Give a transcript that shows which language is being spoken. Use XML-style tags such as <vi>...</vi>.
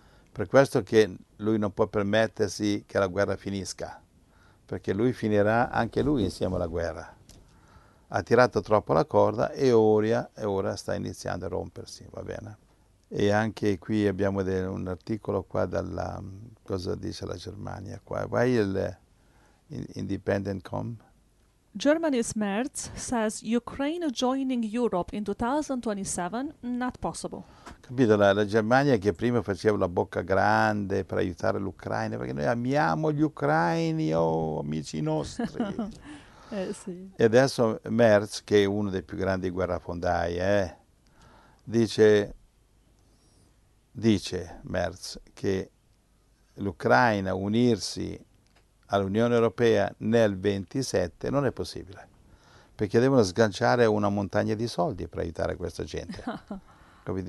<it>Per questo che lui non può permettersi che la guerra finisca, perché lui finirà anche lui insieme alla guerra. Ha tirato troppo la corda e ora sta iniziando a rompersi, va bene? E anche qui abbiamo un articolo qua dalla, cosa dice la Germania qua? Vai il Independent.com.</it> <en>Germany's Merz says Ukraine joining Europe in 2027 not possible.</en> <it>Capito, la Germania che prima faceva la bocca grande per aiutare l'Ucraina, perché noi amiamo gli ucraini, oh amici nostri. sì. E adesso Merz, che è uno dei più grandi guerrafondai, dice Merz che l'Ucraina unirsi all'Unione Europea nel 27 non è possibile, perché devono sganciare una montagna di soldi per aiutare questa gente. Capito?</it>